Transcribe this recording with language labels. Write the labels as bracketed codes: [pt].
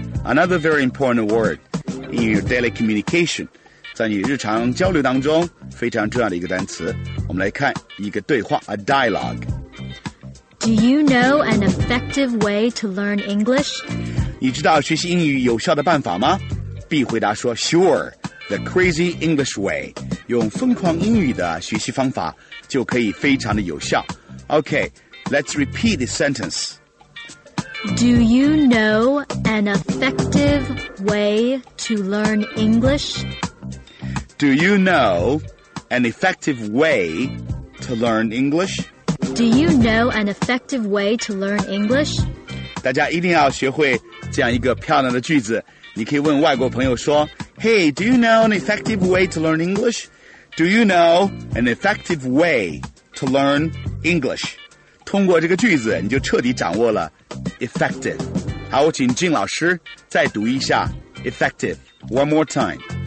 [en] Another very important word in your daily communication. [zh] 在你日常交流当中非常重要的一个单词。我们来看一个对话 a dialogue. [en] Do you know an effective way to learn English? [zh] 你知道学习英语有效的办法吗？ [en] B [zh] 回答说 [en] sure. The crazy English way. [zh] 用疯狂英语的学习方法就可以非常的有效。 [en] Okay, let's repeat this sentence. Do you know an effective way to learn English? Do you know an effective way to learn English? Do you know an effective way to learn English? [zh] 大家一定要学会这样一个漂亮的句子。你可以问外国朋友说 [en] Hey, do you know an effective way to learn English? Do you know an effective way to learn English? [zh] 通过这个句子你就彻底掌握了 effective. 好，我请金老师再读一下 effective. [en] One more time.